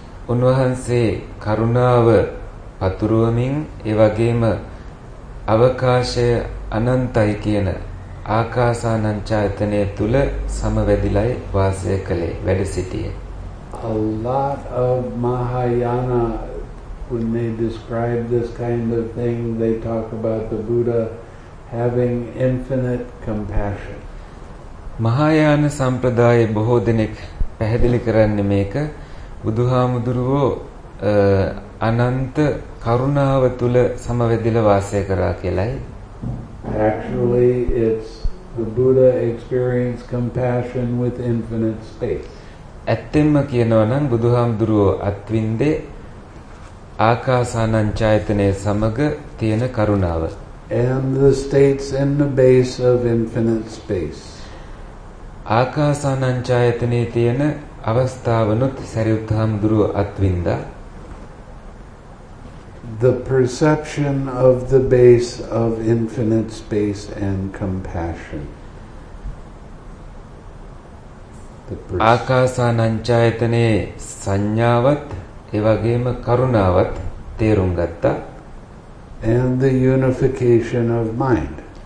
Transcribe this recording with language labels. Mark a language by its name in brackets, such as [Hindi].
[Sinhala] උන්වහන්සේ කරුණාව පතුරවමින් ඒ වගේම අවකාශය අනන්තයි කියන ආකාසානංචායතනය තුල සමවැදිලා වාසය කළේ වැඩ සිටියේ. [English] A lot of Mahayana when they describe this kind of thing they talk about the Buddha having infinite compassion. [Sinhala] මහායාන සම්ප්‍රදායේ බොහෝ දෙනෙක් පැහැදිලි කරන්නේ මේක බුදුහාමුදුරුවෝ අනන්ත කරුණාව තුල සමවැදිලා වාසය කරා කියලයි. [English] Actually it's the Buddha experienced compassion with infinite space. [Sinhala] ඇත්තෙන්ම කියනවා නම් බුදුහාමුදුරුවෝ අත්විඳේ ආකාසානංචායතනයේ සමග තියෙන කරුණාව. [English] And the states in the base of infinite space. [Sinhala] ආකාසානංචායතනයේ තියෙන අවස්ථාවනොත් සරියුත් හාමුදුරුව අත්විඳා [English] the perception of the base of infinite space and compassion [Sinhala] ආකාසානංචායතනයේ සංඥාවත් එවැගේම කරුණාවත් තේරුම් ගත්තා [English] and the unification of mind